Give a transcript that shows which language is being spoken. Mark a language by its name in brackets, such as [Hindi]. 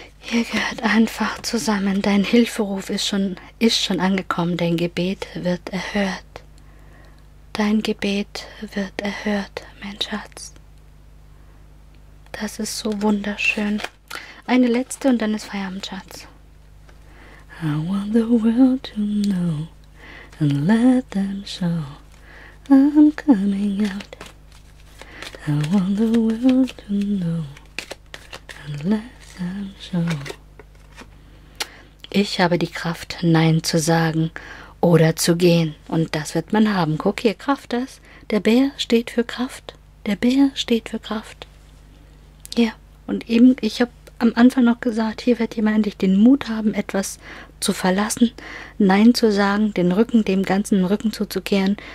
[German] Ihr gehört einfach zusammen. Dein Hilferuf ist schon angekommen. Dein Gebet wird erhört. Dein Gebet wird erhört, mein Schatz. Das ist so wunderschön. Eine letzte und dann ist Feierabend, Schatz. [English] I want the world to know and let them show I'm coming out. I want the world to know and let them show. [German] Ich habe die Kraft, Nein zu sagen oder zu gehen. Und das wird man haben. Guck hier, Kraft, das. Der Bär steht für Kraft. Der Bär steht für Kraft. Ja, und eben, ich habe am Anfang noch gesagt, hier wird jemand endlich den Mut haben, etwas zu verlassen, Nein zu sagen, den Rücken, dem ganzen Rücken zuzukehren.